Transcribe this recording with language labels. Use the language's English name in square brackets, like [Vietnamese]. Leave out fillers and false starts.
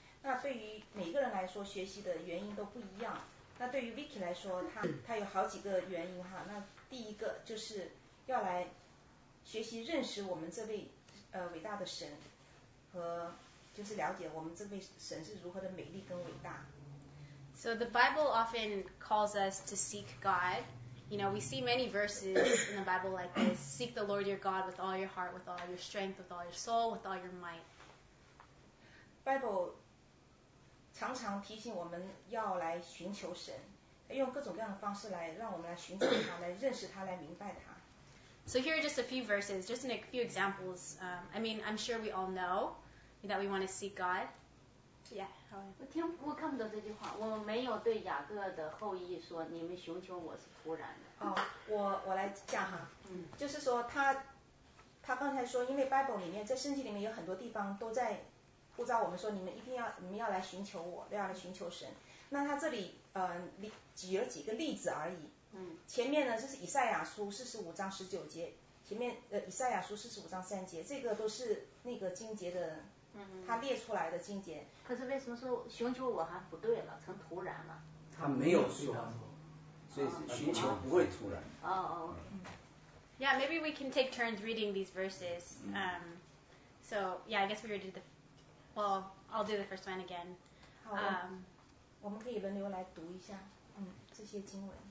[Chinese] 那对于每个人来说，学习的原因都不一样。那对于 Vicky 来说，他有好几个原因哈。那第一个就是要来学习认识我们这位伟大的神，和就是了解我们这位神是如何的美丽跟伟大。 [English] So the Bible often calls us to seek God. You know, we see many verses in the Bible like this: Seek the Lord your God with all your heart, with all your strength, with all your soul, with all your might. [Chinese] Bible 常常提醒我们要来寻求神，用各种各样的方式来让我们来寻求他，来认识他，来明白他。 [English] So here are just a few verses, just a few examples. I mean, I'm sure we all know that we want to seek God. Yeah. [Chinese] 我看不懂这句话。我没有对雅各的后裔说，你们寻求我是突然的。哦，我来讲哈。就是说他刚才说，因为 Bible 里面，在圣经里面有很多地方都在呼召我们说，你们要来寻求我，要来寻求神。那他这里举了几个例子而已。前面呢就是以赛亚书45:19，前面以赛亚书45:3，这个都是那个经节的，他列出来的经节。可是为什么说寻求我还不对了，成突然了？他没有说，所以是寻求不会突然。 [English] Yeah, maybe we can take turns reading these verses. So yeah, I guess we already did the. Well, I'll do the first one again. [Chinese] 好，我们可以轮流来读一下，这些经文。